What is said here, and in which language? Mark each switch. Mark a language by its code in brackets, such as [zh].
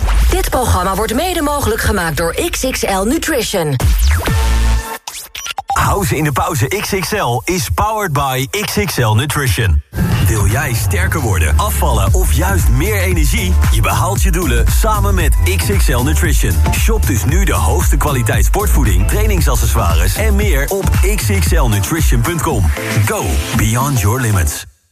[nl] Dit programma wordt mede mogelijk gemaakt door XXL Nutrition. House in de pauze XXL [en] is powered by [nl] XXL Nutrition. Wil jij sterker worden, afvallen of juist meer energie? Je behaalt je doelen samen met XXL Nutrition. Shop dus nu de hoogste kwaliteit sportvoeding, trainingsaccessoires en meer op xxlnutrition.com. [en] Go beyond your limits.